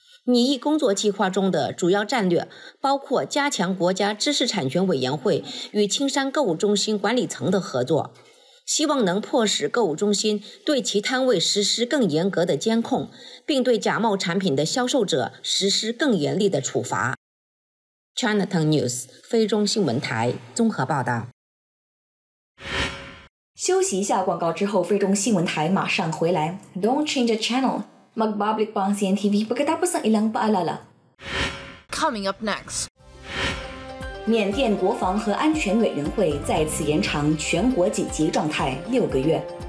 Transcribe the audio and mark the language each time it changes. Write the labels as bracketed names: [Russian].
[Chinese] 拟议工作计划中的主要战略包括加强国家知识产权委员会与青山购物中心管理层的合作，希望能迫使购物中心对其摊位实施更严格的监控，并对假冒产品的销售者实施更严厉的处罚。 Chinatown News 菲中新闻台综合报道。休息一下广告之后，菲中新闻台马上回来。 [English] Don't change the channel. [Filipino] Magbablik pa ang CNTV pagkatapos ng ilang paalala. [English] Coming up next. [Chinese] 缅甸国防和安全委员会再次延长全国紧急状态六个月。